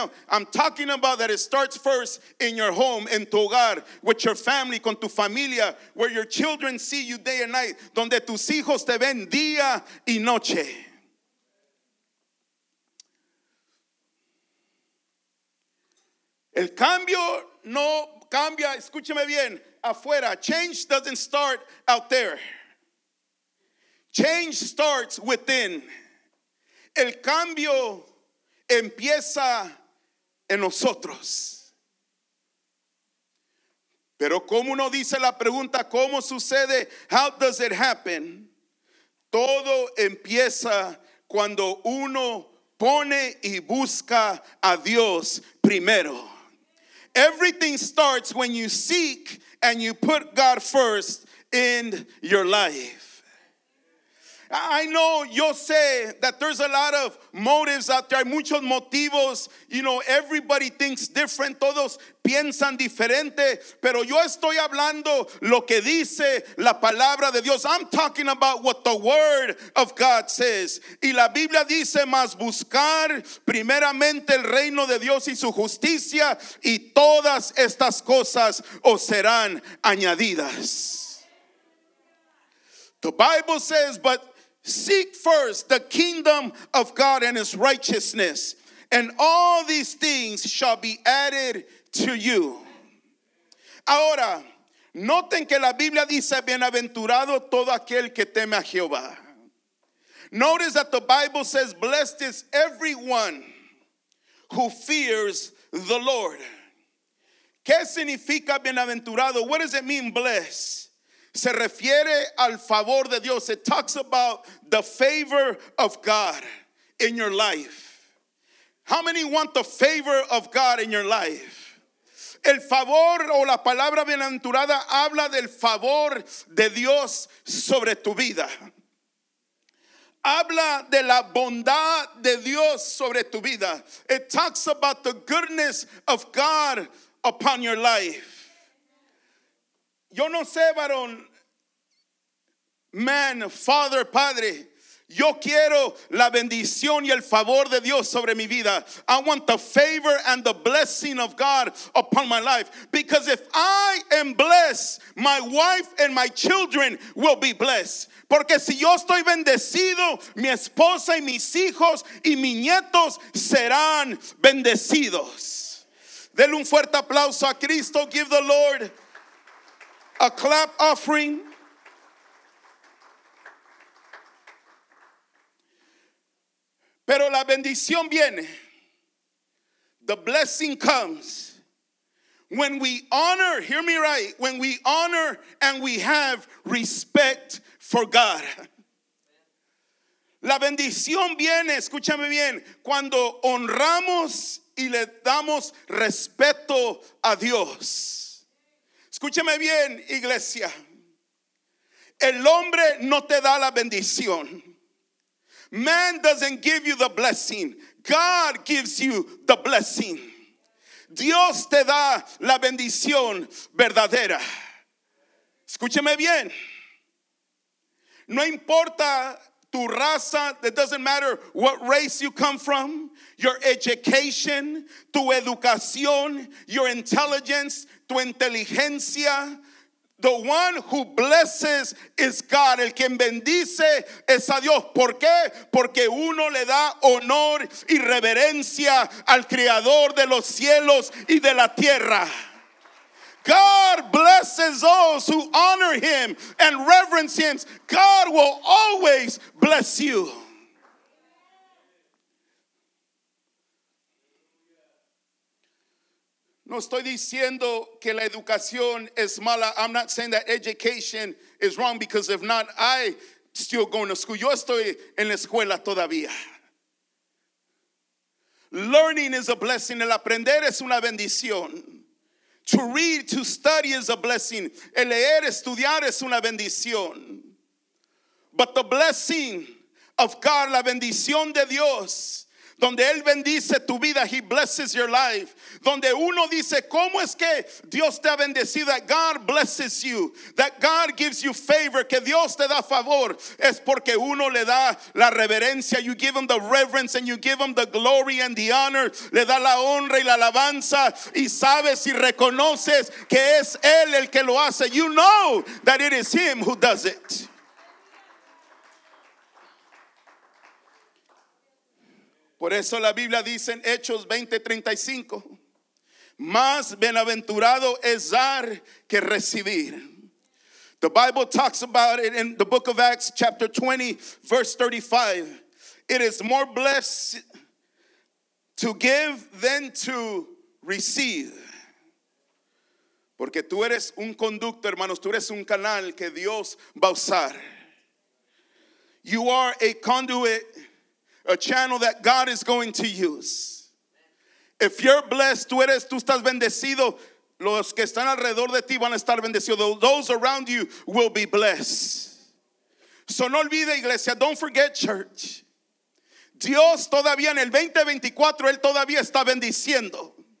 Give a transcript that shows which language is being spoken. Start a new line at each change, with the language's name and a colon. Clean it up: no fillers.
English: I'm talking about that it starts first in your home,
Spanish: en tu hogar,
English: with your family,
Spanish: con tu familia,
English: where your children see you day and night,
Spanish: donde tus hijos te ven día y noche. El cambio no cambia, escúcheme bien, afuera.
English: Change doesn't start out there. Change starts within.
Spanish: El cambio empieza en nosotros. Pero como uno dice la pregunta, ¿cómo sucede?
English: How does it happen?
Spanish: Todo empieza cuando uno pone y busca a Dios primero.
English: Everything starts when you seek and you put God first in your life. I know,
Spanish: yo sé,
English: that there's a lot of motives out there.
Spanish: Hay muchos motivos.
English: You know, everybody thinks different.
Spanish: Todos piensan diferente. Pero yo estoy hablando lo que dice la palabra de Dios.
English: I'm talking about what the word of God says.
Spanish: Y la Biblia dice, más buscar primeramente el reino de Dios y su justicia, y todas estas cosas os serán añadidas.
English: The Bible says, but seek first the kingdom of God and his righteousness, and all these things shall be added to you.
Spanish: Ahora, noten que la Biblia dice, bienaventurado todo aquel que teme a Jehová.
English: Notice that the Bible says, blessed is everyone who fears the Lord.
Spanish: ¿Qué significa bienaventurado?
English: What does it mean, blessed?
Spanish: Se refiere al favor de Dios.
English: It talks about the favor of God in your life. How many want the favor of God in your life?
Spanish: El favor o la palabra bienaventurada habla del favor de Dios sobre tu vida. Habla de la bondad de Dios sobre tu vida.
English: It talks about the goodness of God upon your life.
Spanish: Yo no sé, varón,
English: man, father,
Spanish: padre. Yo quiero la bendición y el favor de Dios sobre mi vida.
English: I want the favor and the blessing of God upon my life. Because if I am blessed, my wife and my children will be blessed.
Spanish: Porque si yo estoy bendecido, mi esposa y mis hijos y mis nietos serán bendecidos. Denle un fuerte aplauso a Cristo.
English: Give the Lord a clap offering.
Spanish: Pero la bendición viene.
English: The blessing comes. When we honor, hear me right, when we honor and we have respect for God.
Spanish: La bendición viene, escúchame bien, cuando honramos y le damos respeto a Dios. Escúchame bien, iglesia. El hombre no te da la bendición.
English: Man doesn't give you the blessing. God gives you the blessing.
Spanish: Dios te da la bendición verdadera. Escúcheme bien. No importa tu raza.
English: It doesn't matter what race you come from. Your education,
Spanish: tu educación,
English: your intelligence,
Spanish: tu inteligencia.
English: The one who blesses is God.
Spanish: El quien bendice es a Dios. ¿Por qué? Porque uno le da honor y reverencia al Creador de los cielos y de la tierra.
English: God blesses those who honor him and reverence him. God will always bless you.
Spanish: No estoy diciendo que la educación es mala.
English: I'm not saying that education is wrong, because if not, I'm still going to school.
Spanish: Yo estoy en la escuela todavía.
English: Learning is a blessing.
Spanish: El aprender es una bendición.
English: To read, to study is a blessing.
Spanish: El leer, estudiar es una bendición.
English: But the blessing of God,
Spanish: la bendición de Dios, donde Él bendice tu vida,
English: He blesses your life.
Spanish: Donde uno dice, ¿cómo es que Dios te ha bendecido?
English: That God blesses you. That God gives you favor.
Spanish: Que Dios te da favor. Es porque uno le da la reverencia.
English: You give Him the reverence and you give Him the glory and the honor.
Spanish: Le da la honra y la alabanza. Y sabes y reconoces que es Él el que lo hace.
English: You know that it is Him who does it.
Spanish: Por eso la Biblia dice en Hechos 20:35, más bienaventurado es dar que recibir.
English: The Bible talks about it in the book of Acts, chapter 20, verse 35. It is more blessed to give than to receive.
Spanish: Porque tú eres un conducto, hermanos, tú eres un canal que Dios va a usar.
English: You are a conduit, a channel that God is going to use. If you're blessed,
Spanish: tú eres, tú estás bendecido, los que están alrededor de ti van a estar bendecidos.
English: Those around you will be blessed. So
Spanish: no olvide, iglesia,
English: don't forget, church.
Spanish: Dios todavía en el 2024, Él todavía está bendiciendo.